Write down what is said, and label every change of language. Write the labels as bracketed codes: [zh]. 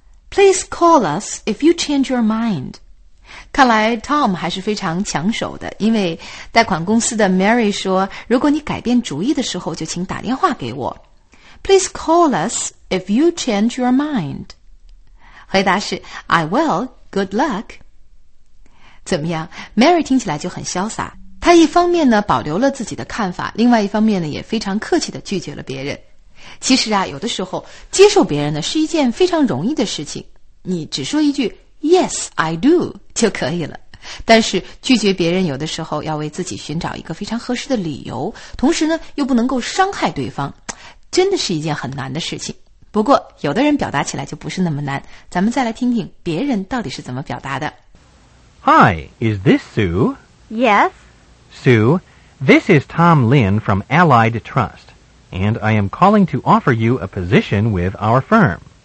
[en] Please call us if you change your mind. [zh] 看来 Tom 还是非常抢手的，因为贷款公司的 Mary 说，如果你改变主意的时候就请打电话给我。 [en] Please call us if you change your mind. [zh] 回答是 [en] I will, good luck. [zh] 怎么样， Mary 听起来就很潇洒，她一方面呢保留了自己的看法，另外一方面呢也非常客气地拒绝了别人。其实啊，有的时候接受别人呢是一件非常容易的事情，你只说一句 [en] Yes, I do, [zh] 就可以了。但是拒绝别人有的时候要为自己寻找一个非常合适的理由，同时呢又不能够伤害对方，真的是一件很难的事情。不过有的人表达起来就不是那么难，咱们再来听听别人到底是怎么表达的。 [en] Hi, is this Sue? Yes. Sue, this is Tom Lin from Allied Trust, and I am calling to offer you a position with our firm.